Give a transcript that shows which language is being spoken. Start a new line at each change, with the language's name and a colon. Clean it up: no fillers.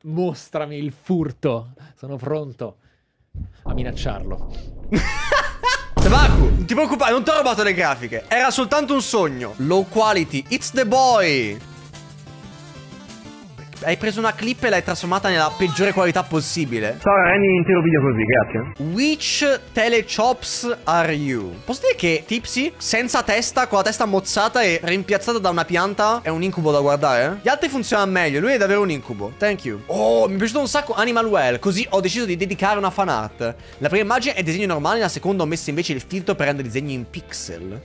Italian: Mostrami il furto. Sono pronto a minacciarlo. Sabaku, non ti preoccupare, non ti ho rubato le grafiche. Era soltanto un sogno.
English: Low quality. It's the boy.
Italian: Hai preso una clip e l'hai trasformata nella peggiore qualità possibile. Ciao, rendi l'intero video così, grazie.
English: Which telechops are you?
Italian: Posso dire che Tipsy, senza testa, con la testa mozzata e rimpiazzata da una pianta, è un incubo da guardare? Gli altri funzionano meglio, lui è davvero un incubo.
English: Thank you.
Italian: Oh, mi è piaciuto un sacco Animal Well, così ho deciso di dedicare una fan art. La prima immagine è disegno normale, la seconda ho messo invece il filtro per rendere disegni in pixel.